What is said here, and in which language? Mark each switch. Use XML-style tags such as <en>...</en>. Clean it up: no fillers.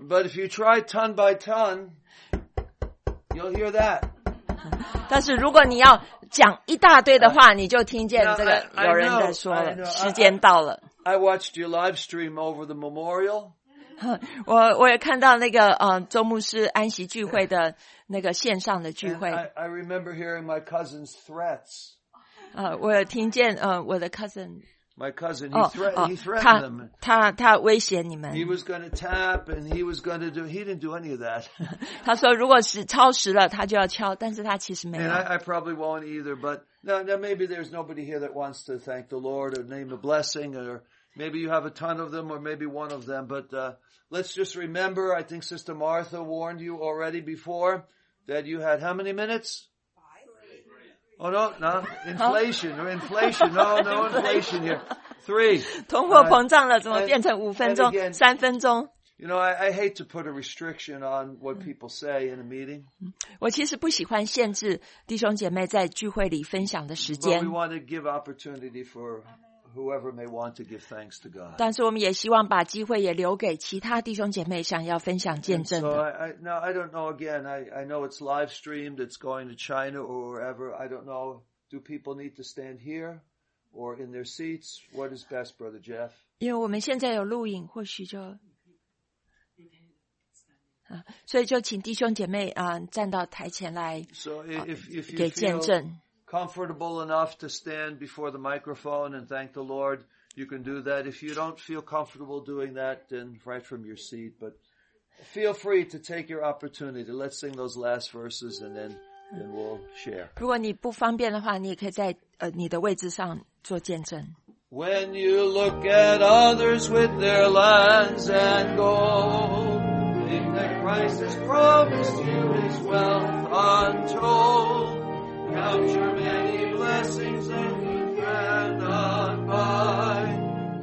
<en>But if you try ton by ton, you'll hear that.</en> <zh>但是如果你要讲一大堆的话，你就听见这个有人在说了，时间到了。</zh> <en>I watched your live stream over the memorial.</en> <zh>我也看到那个周牧师安息聚会的那个线上的聚会。</zh> <en>I remember hearing my cousin's threats.</en> <zh>我有听见我的 cousin。</zh> <en>My cousin, he threatened them. He was going to tap and he was going to do, he didn't do any of that.</en> <zh>他说如果是超时了他就要敲但是他其实没有。</zh> <en>And I probably won't either, but now maybe there's nobody here that wants to thank the Lord or name a blessing or maybe you have a ton of them or maybe one of them, but let's just remember, I think Sister Martha warned you already before that you had how many minutes? Oh, no, inflation here. Three.</en> <zh>通货膨胀了怎么变成五分钟三分钟</zh> <en>You know, I hate to put a restriction on what people say in a meeting.</en> <zh>我其实不喜欢限制弟兄姐妹在聚会里分享的时间。</zh> <en>But we want to give opportunity for whoever may want to give thanks to God.</en> <zh>但是我们也希望把机会也留给其他弟兄姐妹想要分享见证的。</zh> <en>So I don't know again. I know it's live streamed. It's going to China or wherever. I don't know. Do people need to stand here or in their seats? What is best, Brother Jeff?</en> <zh>因为我们现在有录影，或许就所以就请弟兄姐妹站到台前来。</zh> <en>So if you</en> <zh>给见证。</zh> <en>Comfortable enough to stand before the microphone and thank the Lord, you can do that. If you don't feel comfortable doing that, then right from your seat. But feel free to take your opportunity. Let's sing those last verses and then we'll share.</en> <zh>如果你不方便的话，你也可以在你的位置上做见证。</zh> <en>When you look at others with their lands and gold, think that Christ has promised you his wealth untold. Count your many blessings that you cannot buy.</en>